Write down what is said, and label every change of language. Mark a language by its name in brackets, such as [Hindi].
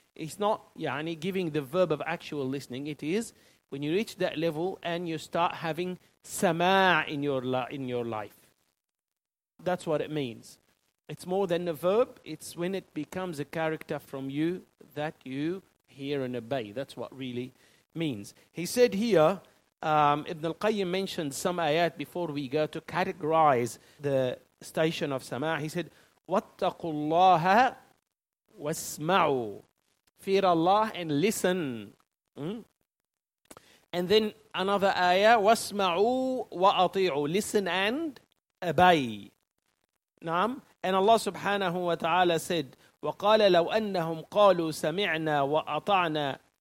[English] It's not yani giving the verb of actual listening. It is when you reach that level and you start having sama' in your life. That's what it means. It's more than a verb. It's when it becomes a character from you that you hear and obey. That's what really means. He said here, Ibn al-Qayyim mentioned some ayat before we go to categorize the station of sama'. He said, [Arabic] وَاتَّقُوا اللَّهَ وَاسْمَعُوا. [English] Fear Allah and listen. And then another ayah, [Arabic] وَاسْمَعُوا وَأَطِيعُوا. [English] Listen and obey. Naam? And Allah subhanahu wa ta'ala said, [Arabic] وَقَالَ لَوْ أَنَّهُمْ قَالُوا سَمِعْنَا وَأَطَعْنَا.